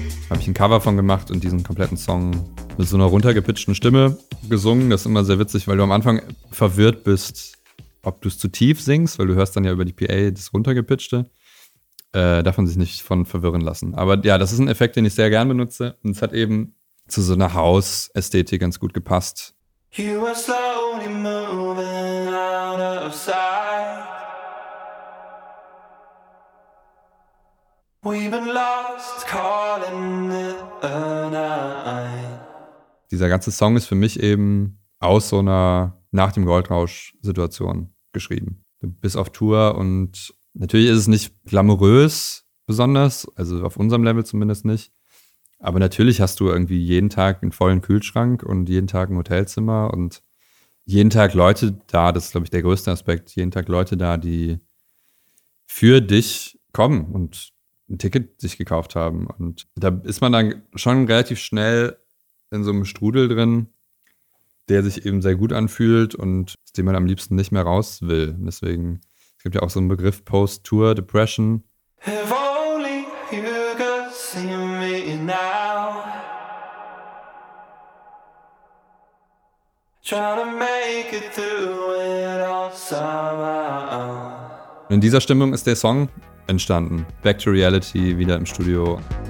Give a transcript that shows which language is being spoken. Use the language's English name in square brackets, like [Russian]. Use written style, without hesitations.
[German] Habe ich ein Cover von gemacht und diesen kompletten Song mit so einer runtergepitchten Stimme gesungen. Das ist immer sehr witzig, weil du am Anfang verwirrt bist, ob du es zu tief singst, weil du hörst dann ja über die PA das runtergepitchte. Darf man sich nicht von verwirren lassen. Aber ja, das ist ein Effekt, den ich sehr gern benutze. Und es hat eben zu so einer House-Ästhetik ganz gut gepasst. [English] You are slowly moving out of sight. We've been lost calling it a night. [German] Dieser ganze Song ist für mich eben aus so einer Nach-dem-Goldrausch-Situation geschrieben. Du bist auf Tour und natürlich ist es nicht glamourös besonders, also auf unserem Level zumindest nicht. Aber natürlich hast du irgendwie jeden Tag einen vollen Kühlschrank und jeden Tag ein Hotelzimmer und jeden Tag Leute da, das ist, glaube ich, der größte Aspekt, jeden Tag Leute da, die für dich kommen und ein Ticket sich gekauft haben. Und da ist man dann schon relativ schnell in so einem Strudel drin, der sich eben sehr gut anfühlt und aus dem man am liebsten nicht mehr raus will. Und deswegen, es gibt ja auch so einen Begriff Post-Tour-Depression. [English] If only you could see me now. Trying to make it through it all somehow. [German] In dieser Stimmung ist der Song entstanden. Back to Reality, wieder im Studio.